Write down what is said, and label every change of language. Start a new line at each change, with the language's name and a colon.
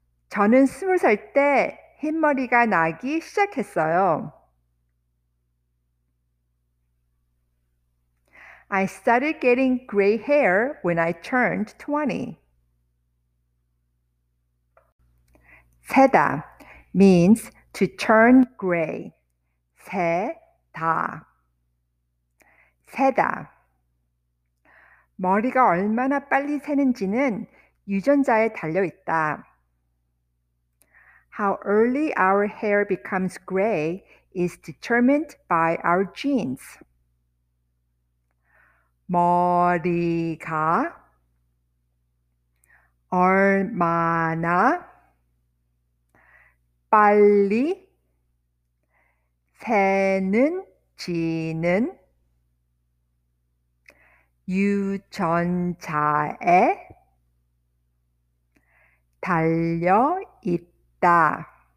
Korean: 저는 스무 살 때 흰머리가 나기 시작했어요.
English: I started getting gray hair when I turned 20. 새다 means to turn gray.
Korean: 새다 새다 머리가 얼마나 빨리 새는지는 유전자에 달려 있다.
English: How early our hair becomes gray is determined by our genes.
Korean: 머리가 얼마나 빨리 새는지는 유전자에 달려 있다.